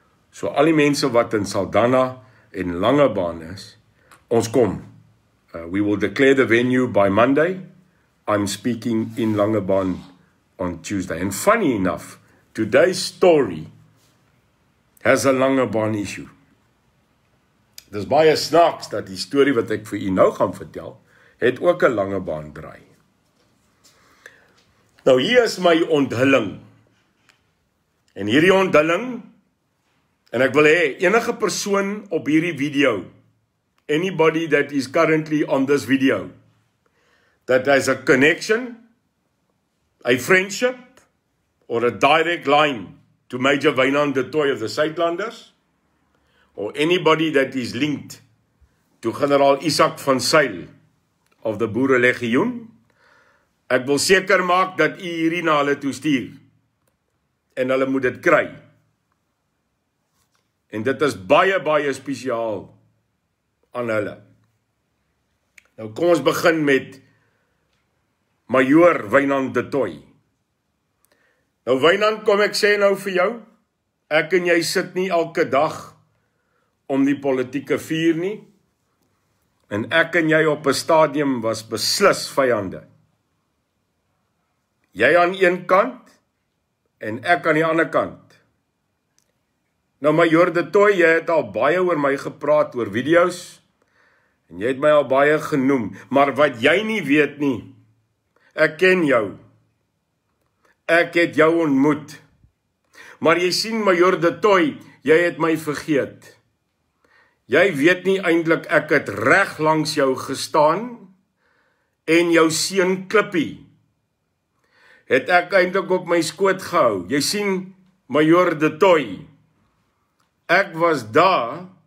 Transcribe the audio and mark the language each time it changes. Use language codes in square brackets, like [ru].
[af] So al die mense wat in Saldanha en Langebaan is, ons kom. [en] We will declare the venue by Monday. I'm speaking in Langebaan on Tuesday. And funny enough, today's story has a lange baan issue. [af] Dis baie snaaks dat die story wat ek vir u nou gaan vertel, het ook 'n lange baan draai. Nou hier is my onthulling. En hierdie onthulling, en ek wil hê enige persoon op hierdie video, [en] anybody that is currently on this video, that has a connection, a friendship, or a direct line to Major Wynand de Tooy of the Suidlanders, or anybody that is linked to General Isaac van Sail of the Boere Legioen, [af] ek wil seker maak dat u hierdie na hulle toe stuur, en hulle moet dit kry. En dit is baie, baie spesiaal aan hulle. Nou kom ons begin met Majoor Wynand de Tooy. Nou Wynand, kom ek sê nou vir jou, ek en jy sit nie elke dag om die politieke vuur nie, en ek en jy op 'n stadium was beslis vyande. Jy aan een kant, en ek aan die ander kant. Nou Majoor de Tooy, jy het al baie oor my gepraat oor video's, en jy het my al baie genoem, maar wat jy nie weet nie, ek ken jou, ek het jou ontmoet, maar jy sien, Majoor de Tooy, jy het my vergeet, jy weet nie eindelijk, ek het reg langs jou gestaan, en jou seun Klippie, het ek eindelijk op my skoot gehou, jy sien, Majoor de Tooy, ek was daar,